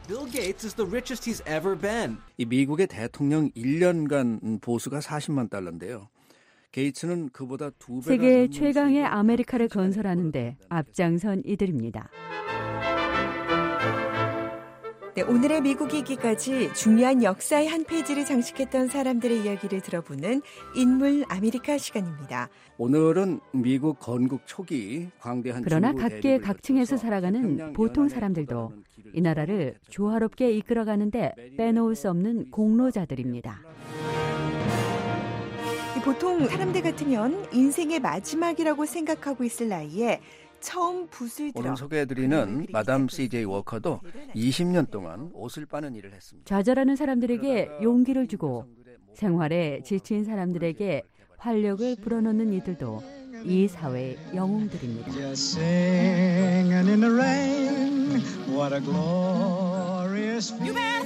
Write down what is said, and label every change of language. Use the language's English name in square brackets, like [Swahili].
[English] Bill Gates is the richest he's ever been. [Korean] 이 미국의 대통령 1년간 보수가 40만 달러인데요. 게이츠는 그보다 두 배가 세계 최강의 아메리카를 건설하는데 앞장선 이들입니다. 네, 오늘의 미국이기까지 중요한 역사의 한 페이지를 장식했던 사람들의 이야기를 들어보는 인물 아메리카 시간입니다. 오늘은 미국 건국 초기 광대한 그러나 각계 각층에서 살아가는 보통 사람들도 이 나라를 조화롭게 이끌어가는데 빼놓을 수 없는 공로자들입니다. 보통 사람들 같으면 인생의 마지막이라고 생각하고 있을 나이에 처음 붓을 들어 오늘 소개해드리는 마담 CJ 워커도 20년 동안 옷을 빠는 일을 했습니다. 좌절하는 사람들에게 용기를 주고 생활에 지친 사람들에게 활력을 불어넣는 이들도 이 사회의 영웅들입니다. [English] Singing in the rain, what a glorious thing.